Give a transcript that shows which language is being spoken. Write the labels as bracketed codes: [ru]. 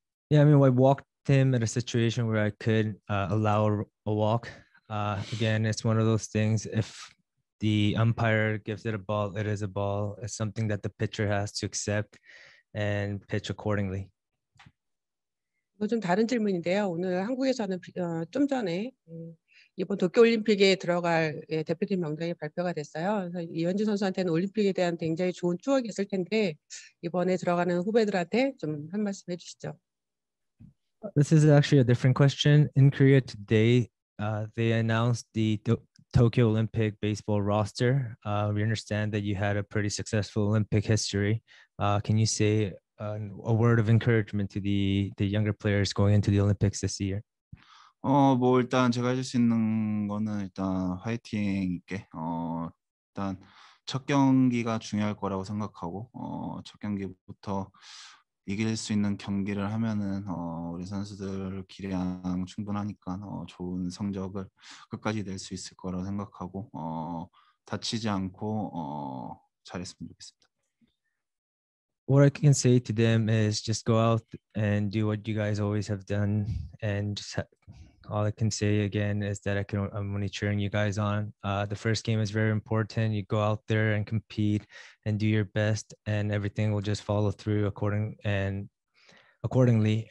[en] Yeah, I mean, I walked him at a situation where I could allow a walk. Again, it's one of those things. If the umpire gives it a ball, it is a ball. It's something that the pitcher has to accept and pitch accordingly. [ko] 이거 좀 다른 질문인데요. 오늘 한국에서는 좀 전에 이번 도쿄올림픽에 들어갈 대표팀 명단이 발표가 됐어요. 이현진 선수한테는 올림픽에 대한 굉장히 좋은 추억이 있을 텐데 이번에 들어가는 후배들한테 좀 한 말씀 해주시죠. [en] This is actually a different question. In Korea today, they announced the Tokyo Olympic baseball roster. We understand that you had a pretty successful Olympic history. Can you say a word of encouragement to the younger players going into the Olympics this year? [ko] 뭐 일단 제가 해줄 수 있는 거는 일단 화이팅 있게 일단 첫 경기가 중요할 거라고 생각하고 첫 경기부터 이길 수 있는 경기를 하면은 우리 선수들 기량 충분하니까 좋은 성적을 끝까지 낼 수 있을 거라고 생각하고 다치지 않고 잘했으면 좋겠습니다. [en] What I can say to them is just go out and do what you guys always have done and just all I can say again is that I'm only cheering you guys on. The first game is very important. You go out there and compete and do your best and everything will just follow through accordingly.